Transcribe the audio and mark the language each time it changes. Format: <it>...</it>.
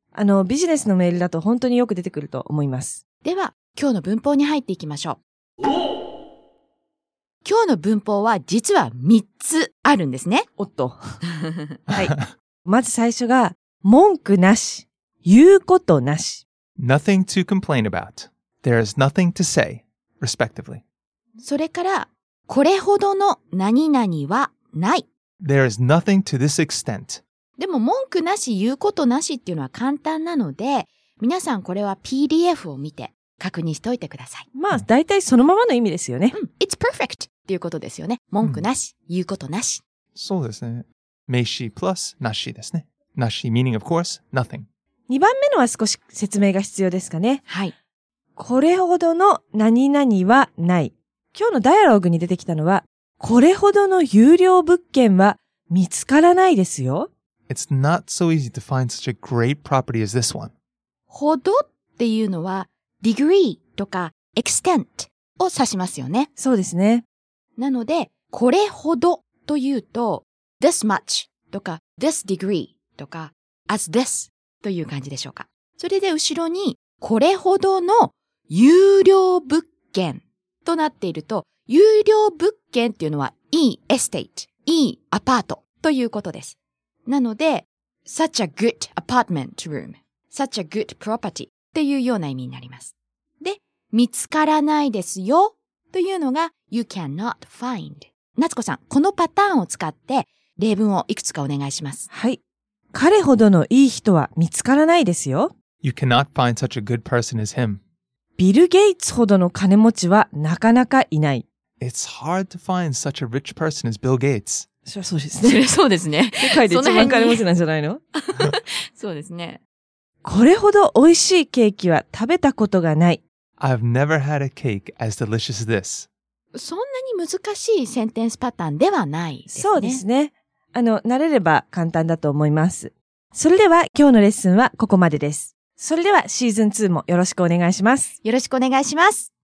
<ja>あのビジネスのメールだと本当によく出てくると思います。では今日の文法に入っていきましょう。今日の文法は実は3つあるんですね。おっと。はい。まず最初が文句なし、言うことなし。</ja> <en>Nothing to complain about. There is nothing to say, respectively.</en> <ja>それからこれほどの何々はない。</ja> <en>There is nothing to this extent,</en> <ja>でも文句なし言うことなしっていうのは簡単なので、皆さんこれは PDF を見て確認しておいてください。まあ、だいたいそのままの意味ですよね。うん、</ja> <en>It's perfect</en> <ja>っていうことですよね。文句なし、言うことなし。そうですね。名詞プラスなしですね。なし、</ja> <en>meaning of course, nothing。</en> <ja>2番目のは少し説明が必要ですかね。はい。これほどの何々はない。今日のダイアログに出てきたのは、これほどの優良物件は見つからないですよ。</ja> <en>It's not so easy to find such a great property as this one.</en> <ja>ほどっていうのは、degree とか extent を指しますよね。そうですね。なので、これほどというと、</ja> <en>this much</en> <ja>とか、</ja> <en>this degree</en> <ja>とか、</ja> <en>as this</en> <ja>という感じでしょうか。それで後ろに、これほどの優良物件となっていると、優良物件っていうのは、いいエステイト、いいアパートということです。なので、</ja> <en>such a good apartment room, such a good property</en> <ja>っていうような意味になります。で、見つからないですよというのが、</ja> <en>you cannot find.</en> <ja>夏子さん、このパターンを使って例文をいくつかお願いします。はい。彼ほどのいい人は見つからないですよ。</ja> <en>You cannot find such a good person as him.</en> <ja>ビル・ゲイツほどの金持ちはなかなかいない。</ja> <en>It's hard to find such a rich person as Bill Gates.</en> <ja>そりゃそうですね。そうですね。世界で一番金持ちなんじゃないの？そうですね。これほど美味しいケーキは食べたことがない。</ja> <en>I've never had a cake as delicious as this.</en> <ja>そんなに難しいセンテンスパターンではないですね。そうですね。慣れれば簡単だと思います。それでは今日のレッスンはここまでです。それではシーズン2もよろしくお願いします。よろしくお願いします。</ja>